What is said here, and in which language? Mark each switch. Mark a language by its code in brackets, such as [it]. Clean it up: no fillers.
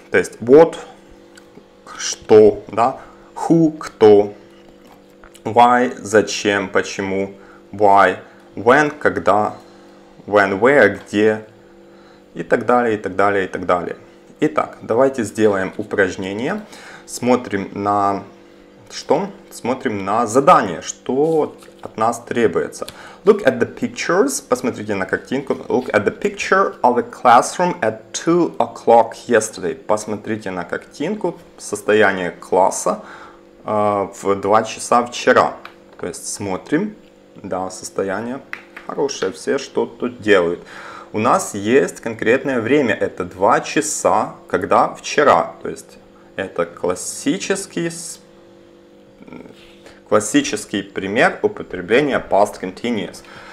[ru] То есть what, что, да, who, кто, why, зачем, почему, why, when, когда, when, where, где, и так далее, и так далее, и так далее. Итак, давайте сделаем упражнение. Смотрим на что? Смотрим на задание. Что от нас требуется? [en] Look at the pictures. [ru] Посмотрите на картинку. [en] Look at the picture of a classroom at 2 o'clock yesterday. [ru] Посмотрите на картинку. Состояние класса в 2 часа вчера. То есть смотрим. Да, состояние хорошее. Все что-то делают. У нас есть конкретное время. Это 2 часа, когда вчера. То есть это классический пример употребления past continuous.